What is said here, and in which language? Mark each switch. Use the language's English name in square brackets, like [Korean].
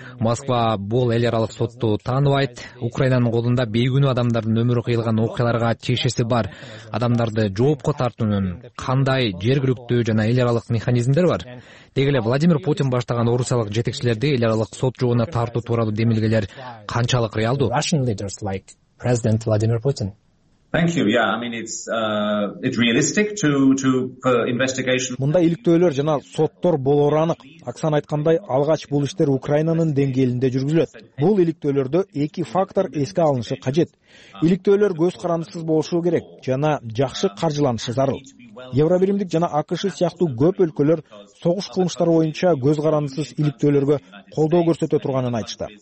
[Kyrgyz] Москва бул эл аралык сотту тааныбайт. Украинанын колунда бейкүнөө адамдардын өмүрү кыйылган окуяларга тиешеси бар. Адамдарды жоопко тартуунун кандай жергиликтүү жана эл аралык механизмдер бар? Деги эле Владимир Путин баштаган орусиялык жетекчилерди эл аралык сот жообуна тартуу тууралуу демилгелер канчалык реалдуу? [English] Russian leaders like President Владимир Путин. Thank you. Yeah, I mean it's realistic to for investigation. [Kyrgyz] Мындай иликтөөлөр жана соттор болору анык. Оксана айткандай, алгач бул иштер Украинанын деңгээлинде жүргүзүлөт. Бул иликтөөлөрдө эки фактор эске алынышы кажет. Иликтөөлөр көз карандысыз болушу керек жана жакшы каржыланышы зарыл. Евробиримдик жана АКШ сыяктуу көп өлкөлөр согуш кылмыштары боюнча көз карандысыз иликтөөлөргө колдоо көрсөтө турганын айтышты.